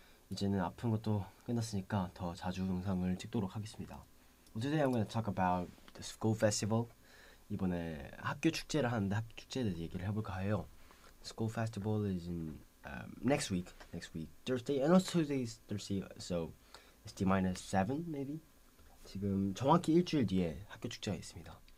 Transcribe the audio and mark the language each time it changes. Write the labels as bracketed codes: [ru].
[ko] 이제는 아픈 것도 끝났으니까 더 자주 영상을 찍도록 하겠습니다. [en] Well, today I'm gonna talk about the school festival. [ko] 이번에 학교 축제를 하는데 학교 축제에 대해서 얘기를 해볼까 해요. [en] School festival is in next week Thursday and also today is Thursday, so it's D-7 maybe. [ko] 지금 정확히 일주일 뒤에 학교 축제가 있습니다.